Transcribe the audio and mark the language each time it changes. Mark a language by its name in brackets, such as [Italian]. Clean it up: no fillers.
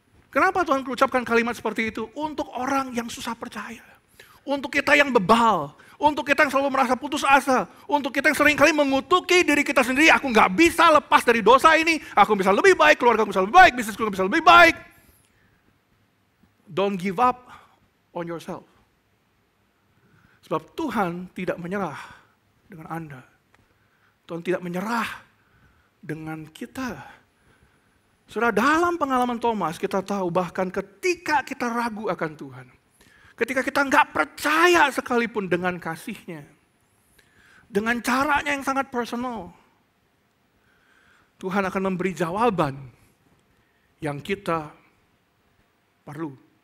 [Indonesian] Kenapa Tuhan mengucapkan kalimat seperti itu? Untuk orang yang susah percaya. Untuk kita yang bebal. Untuk kita yang selalu merasa putus asa. Untuk kita yang seringkali mengutuki diri kita sendiri. Aku gak bisa lepas dari dosa ini. Aku bisa lebih baik, keluarga aku bisa lebih baik, bisnisku bisa lebih baik. [English] Don't give up on yourself. [Indonesian] Sebab Tuhan tidak menyerah dengan Anda. Tuhan tidak menyerah dengan kita. Saudara, dalam pengalaman Thomas, kita tahu bahkan ketika kita ragu akan Tuhan, ketika kita enggak percaya sekalipun dengan kasihnya, dengan caranya yang sangat personal, Tuhan akan memberi jawaban yang kita perlu.